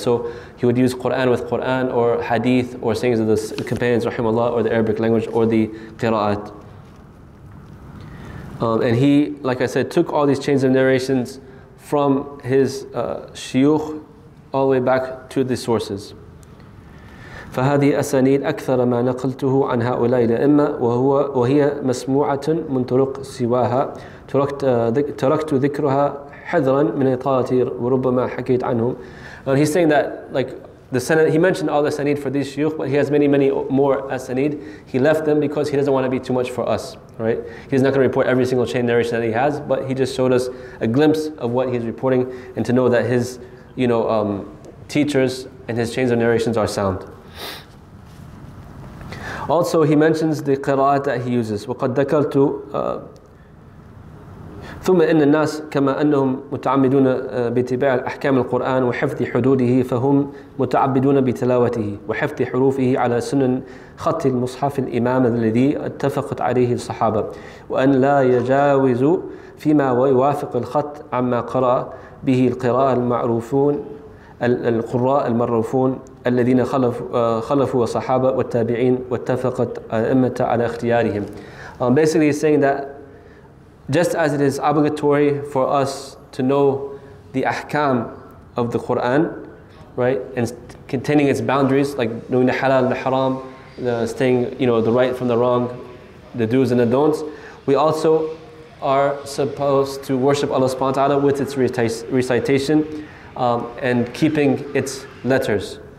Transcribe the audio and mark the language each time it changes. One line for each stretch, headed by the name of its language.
English: So he would use Quran with Quran or hadith or sayings of the companions, rahimahullah, or the Arabic language or the qira'at. And he, like I said, took all these chains of narrations from his shiuch all the way back to the sources.
Arabic: فهذه أسانيد أكثر ما نقلته عن هؤلاء الأئمة وهي مسموعة من طرق سواها تركت ذكرها حذرا من إطالتي وربما حكيت عنهم.
English: And he's saying that like the sanad, he mentioned all the sanid for these shuyukh, but he has many, many more asanid. He left them because he doesn't want to be too much for us, right? He's not going to report every single chain narration that he has, but he just showed us a glimpse of what he's reporting and to know that his, you know, teachers and his chains of narrations are sound. Also, he mentions the qira'at that he uses.
Arabic: وَقَدْ ذَكَرْتُ ثم إن الناس كما أنهم متعمدون باتباع أحكام القرآن وحفظ حدوده فهم متعبدون بتلاوته وحفظ حروفه على سنن خط المصحف الإمام الذي اتفقت عليه الصحابة وأن لا يجاوز فيما يوافق الخط عما قرأ به القراء المعروفون القراء المعروفون الذين خلفوا الصحابة والتابعين واتفقت أئمة على اختيارهم.
English: Basically he's saying that just as it is obligatory for us to know the ahkam of the Quran, right, and containing its boundaries, like knowing the halal and the haram, the staying, you know, the right from the wrong, the do's and the don'ts, we also are supposed to worship Allah subhanahu wa ta'ala with its recitation and keeping its letters.